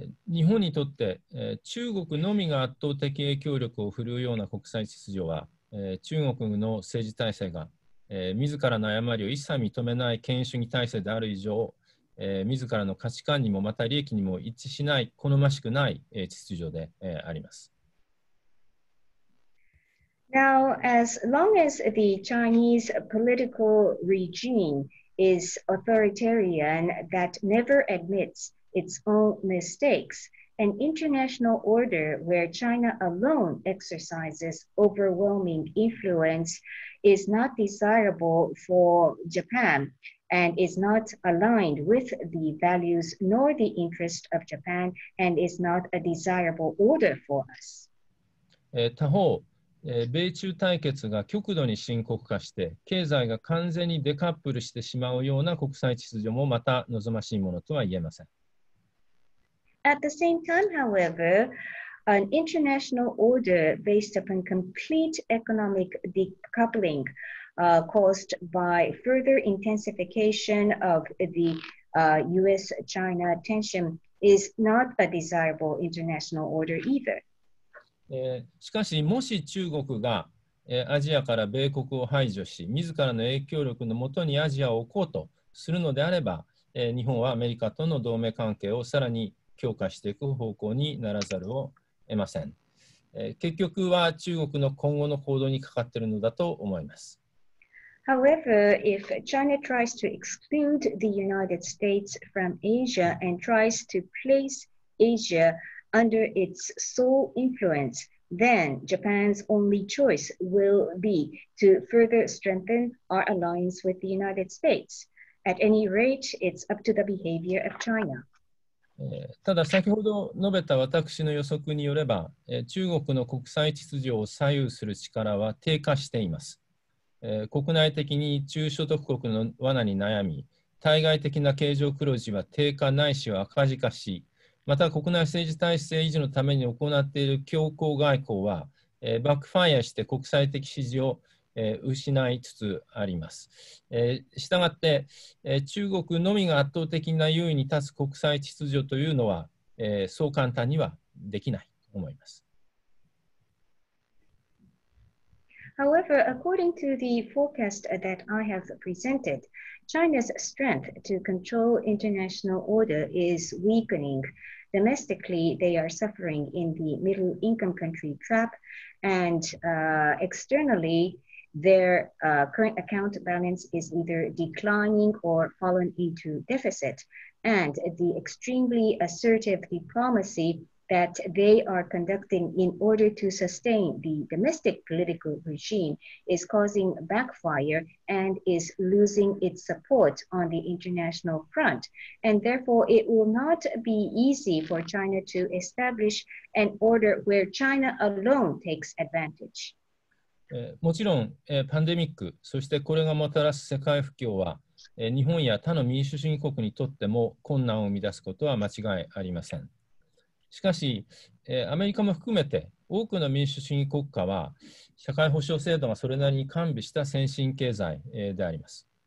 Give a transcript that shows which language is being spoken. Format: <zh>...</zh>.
<ja>日本にとって中国のみが圧倒的影響力を振るうような国際秩序は、中国の政治体制が自らの誤りを一切認めない権威主義体制である以上、自らの価値観にもまた利益にも一致しない好ましくない秩序であります。</ja> <en>Now, as long as the Chinese political regime is authoritarian that never admitsits own mistakes, an international order where China alone exercises overwhelming influence is not desirable for Japan and is not aligned with the values nor the interest of Japan and is not a desirable order for us.</en> <ja>他方、米中対決が極度に深刻化して経済が完全にデカップルしてしまうような国際秩序もまた望ましいものとは言えません。</ja> <en>At the same time, however, an international order based upon complete economic decoupling caused by further intensification of the US-China tension is not a desirable international order either.</en> <ja>しかし、もし中国が、アジアから米国を排除し、自らの影響力のもとにアジアを置こうとするのであれば、日本はアメリカとの同盟関係をさらに強化していく方向にならざるを得ません。結局は中国の今後の行動にかかっているのだと思います。</ja> <en>However, if China tries to exclude the United States from Asia and tries to place Asia under its sole influence, then Japan's only choice will be to further strengthen our alliance with the United States. At any rate, it's up to the behavior of China.</en> <ja>ただ先ほど述べた私の予測によれば、中国の国際秩序を左右する力は低下しています。国内的に中所得国の罠に悩み、対外的な経常黒字は低下ないしは赤字化し、また国内政治体制維持のために行っている強硬外交は、バックファイアして国際的支持を失いつつあります。したがって、中国のみが圧倒的な優位に立つ国際秩序というのは、そう簡単にはできないと思います。</ja> <en>However, according to the forecast that I have presented, China's strength to control international order is weakening. Domestically, they are suffering in the middle income country trap, and externallyTheir current account balance is either declining or fallen into deficit. And the extremely assertive diplomacy that they are conducting in order to sustain the domestic political regime is causing backfire and is losing its support on the international front. And therefore, it will not be easy for China to establish an order where China alone takes advantage.</en> <ja>もちろん、パンデミック、そしてこれがもたらす世界不況は、日本や他の民主主義国にとっても困難を生み出すことは間違いありません。しかし、アメリカも含めて多くの民主主義国家は社会保障制度がそれなりに完備した先進経済、であります。</ja>